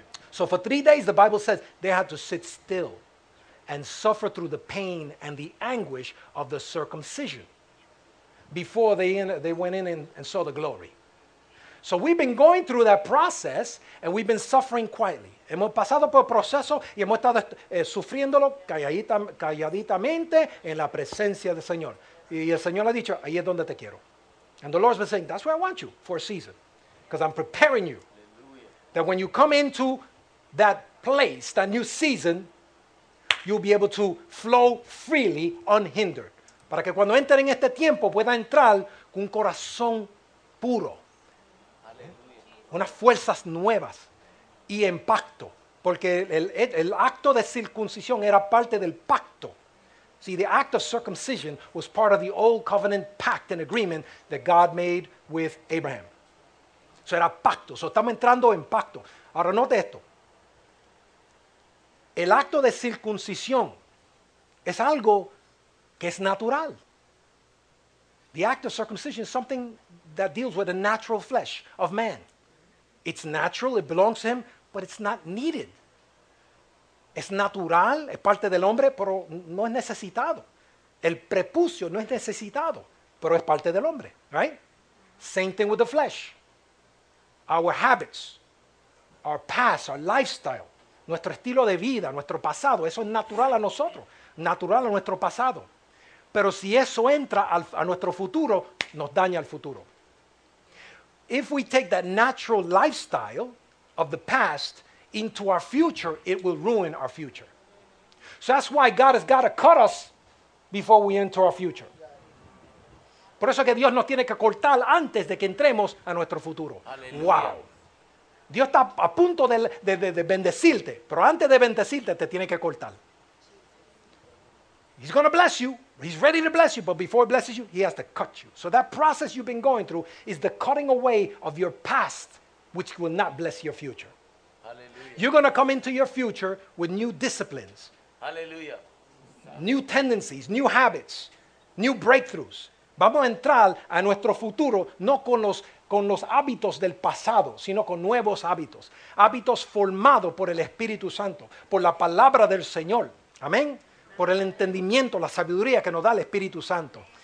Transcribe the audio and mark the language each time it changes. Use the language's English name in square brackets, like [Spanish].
[English] So for 3 days, the Bible says they had to sit still and suffer through the pain and the anguish of the circumcision before they went in and saw the glory. So we've been going through that process, and we've been suffering quietly. [Spanish] Hemos pasado por el proceso, y hemos estado sufriéndolo calladitamente en la presencia del Señor. Y el Señor ha dicho, ahí es donde te quiero. [English] And the Lord's been saying, that's where I want you for a season, because I'm preparing you. Hallelujah. That when you come into that place, that new season, you'll be able to flow freely, unhindered. [Spanish] Para que cuando entren en este tiempo, pueda entrar con un corazón puro. Aleluya. Unas fuerzas nuevas y en pacto. Porque el acto de circuncisión era parte del pacto. [English] See, the act of circumcision was part of the old covenant pact and agreement that God made with Abraham. [Spanish] So era pacto. So estamos entrando en pacto. Ahora note esto. El acto de circuncisión es algo que es natural. [English] The act of circumcision is something that deals with the natural flesh of man. It's natural, it belongs to him, but it's not needed. [Spanish] Es natural, es parte del hombre, pero no es necesitado. El prepucio no es necesitado, pero es parte del hombre, right? [English] Same thing with the flesh. Our habits, our past, our lifestyle. [Spanish] Nuestro estilo de vida, nuestro pasado, eso es natural a nosotros, natural a nuestro pasado. Pero si eso entra a nuestro futuro, nos daña el futuro. [English] If we take that natural lifestyle of the past into our future, it will ruin our future. So that's why God has got to cut us before we enter our future. [Spanish] Por eso que Dios nos tiene que cortar antes de que entremos a nuestro futuro. Aleluya. Wow. Dios está a punto de bendecirte, pero antes de bendecirte, te tiene que cortar. [English] He's going to bless you. He's ready to bless you, but before he blesses you, he has to cut you. So that process you've been going through is the cutting away of your past, which will not bless your future. Hallelujah. You're going to come into your future with new disciplines. Hallelujah. New tendencies, new habits, new breakthroughs. [Spanish] Vamos a entrar a nuestro futuro no con los hábitos del pasado, sino con nuevos hábitos. Hábitos formados por el Espíritu Santo, por la palabra del Señor. Amén. Por el entendimiento, la sabiduría que nos da el Espíritu Santo.